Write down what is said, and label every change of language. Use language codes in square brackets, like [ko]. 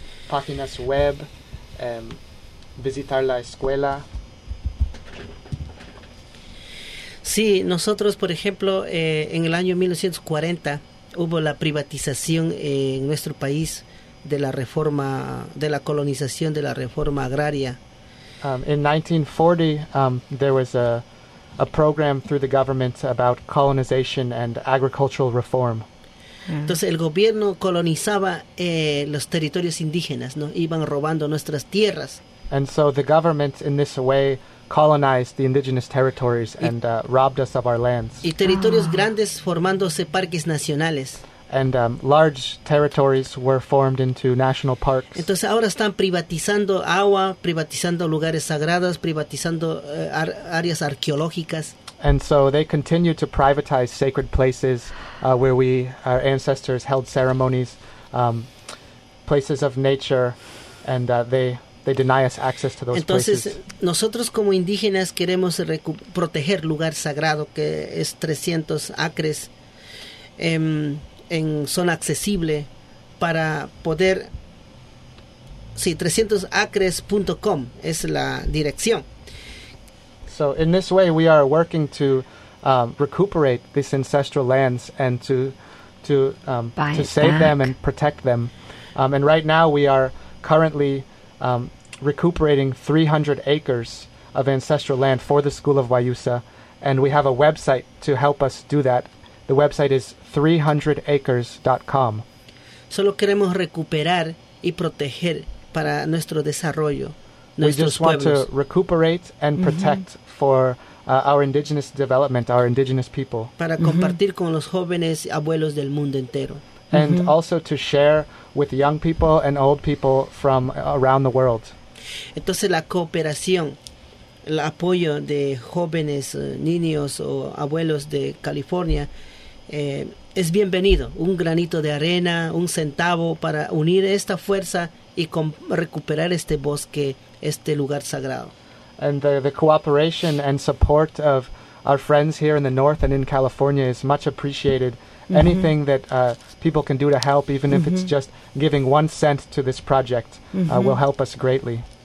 [es] Páginas web, visitar la escuela. Sí, nosotros, por ejemplo, en el año 1940 hubo la privatización en nuestro país de la reforma, de la colonización de la reforma agraria. [en] In 1940, there was a program through the government about colonization and agricultural reform. [es] Entonces el gobierno colonizaba los territorios indígenas, ¿no? Iban robando nuestras tierras. [en] And so the government in this way colonized the indigenous territories and robbed us of our lands. [es] Y territorios grandes formándose parques nacionales. [en] And large territories were formed into national parks. [es] Entonces ahora están privatizando agua, privatizando lugares sagrados, privatizando áreas arqueológicas. [en] And so they continue to privatize sacred places where we, our ancestors, held ceremonies, places of nature, and they deny us access to those [es] Entonces, [en] places. [es] Entonces, nosotros como indígenas queremos proteger lugar sagrado, que es 300 acres, en zona accesible para poder... Sí, 300acres.com es la dirección. [en] So in this way, we are working to recuperate these ancestral lands and to save them and protect them. And right now, we are currently recuperating 300 acres of ancestral land for the School of Wayusa, and we have a website to help us do that. The website is 300acres.com. [es] Solo queremos recuperar y proteger para nuestro desarrollo. [en] We just want to recuperate and protect for our indigenous development, our indigenous people. [es] Para compartir con los jóvenes abuelos del mundo entero. [en] And also to share with young people and old people from around the world. [es] Entonces la cooperación, el apoyo de jóvenes, niños o abuelos de California es bienvenido. Un granito de arena, un centavo para unir esta fuerza y recuperar este bosque, este lugar sagrado. [en] And the cooperation and support of our friends here in the north and in California is much appreciated. Anything that people can do to help, even if it's just giving 1 cent to this project, will help us greatly.